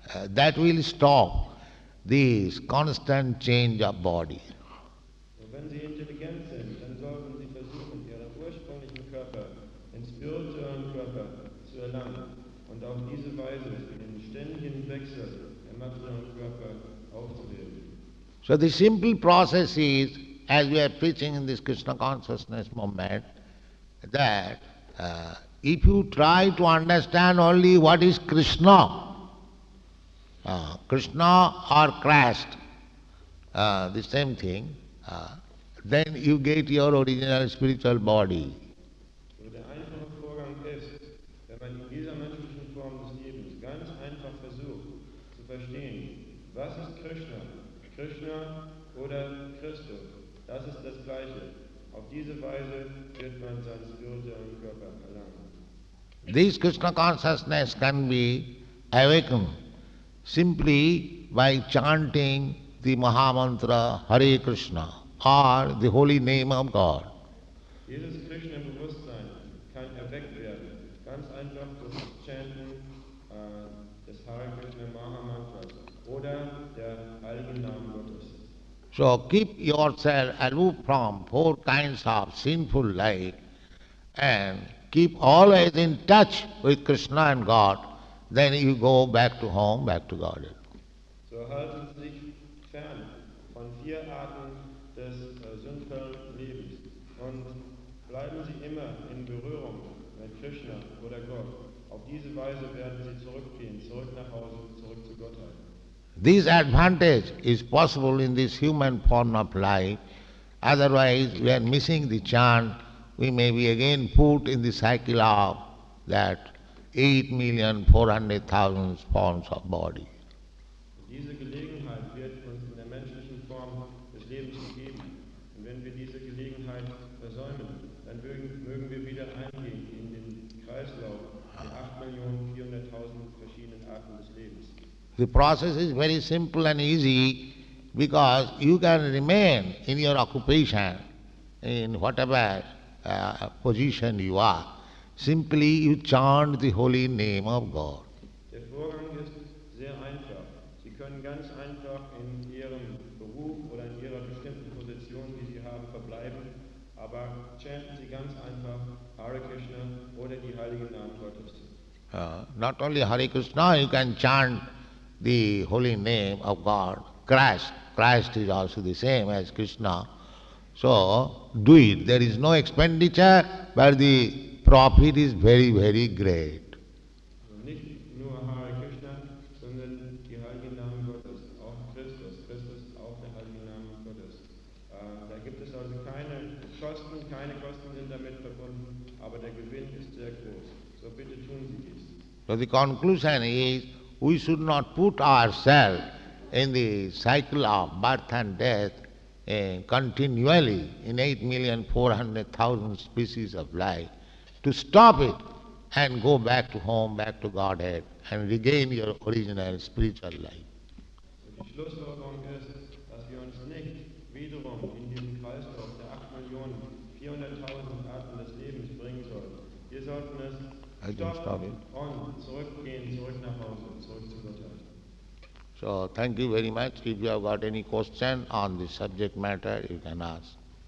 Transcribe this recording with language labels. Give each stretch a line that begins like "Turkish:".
English: That will stop this constant change of body.
German: Wenn Sie intelligent sind, dann sollten Sie versuchen, Ihren ursprünglichen Körper, den spirituellen Körper, zu erlangen und auf diese Weise den ständigen Wechsel im materiellen Körper aufzuheben.
English: So the simple process is, as we are preaching in this Krishna consciousness movement, that if you try to understand only what is Krishna, Krishna or Christ, the same thing, then you get your original spiritual body.
German: So der einfache Vorgang ist, wenn man in dieser menschlichen Form des Lebens ganz einfach versucht zu verstehen, was ist Krishna, Krishna oder Christus, das ist das Gleiche. Auf diese Weise wird man seinen spirituellen Körper erlangen.
English: This Krishna consciousness can be awakened simply by chanting the Mahamantra Hare Krishna or the holy name of God.
German: Dieses Krishna Bewusstsein kann erweckt werden, ganz einfach durch Chanting des Hare Krishna Mahamantras oder der heiligen Namen Gottes.
English: So keep yourself aloof from four kinds of sinful life and keep always in touch with Krishna and God, then you go back to home, back to Godhead.
German: So halten Sie sich fern von vier Arten des sündhaften Lebens und bleiben Sie immer in Berührung mit Krishna oder Gott. Auf diese Weise werden Sie zurückgehen, zurück nach Hause, zurück zu Gottheit.
English: This advantage is possible in this human form of life, otherwise we are missing the chance. We may be again put in the cycle of that 8,400,000 forms of body.
German: Diese Gelegenheit wird uns in der menschlichen Form des Lebens gegeben. Und wenn wir diese Gelegenheit versäumen, dann mögen wir wieder eingehen in den Kreislauf der 8,400,000 verschiedenen Arten des Lebens.
English: The process is very simple and easy because you can remain in your occupation in whatever position you are, simply you chant the holy name of God.
German: Der Vorgang ist sehr einfach. Sie können ganz einfach in Ihrem Beruf oder in Ihrer bestimmten Position, die Sie haben, verbleiben, aber chanten Sie ganz einfach Hare Krishna oder die heiligen Namen Gottes.
English: Not only Hare Krishna, you can chant the holy name of God, Christ. Christ is also the same as Krishna. So, do it. There is no expenditure, but the profit is very, very great.
German: Nicht nur Hare Krishna, sondern die heiligen Namen Gottes, auch Christus. Christus auch der heilige Name Gottes. Da gibt es also keine Kosten sind damit verbunden, aber der Gewinn ist sehr groß. So bitte tun Sie dies.
English: So the conclusion is, we should not put ourselves in the cycle of birth and death continually in 8,400,000 species of life, to stop it and go back to home, back to Godhead, and regain your original spiritual life.
German: Die Schlussfolgerung ist, dass wir uns nicht wiederum in den Kreislauf der 8,400,000 Arten des Lebens bringen sollten. Wir sollten es stoppen und zurückgehen, zurück nach Hause, zurück zu Gott.
English: So thank you very much. If you have got any question on the subject matter, you can ask.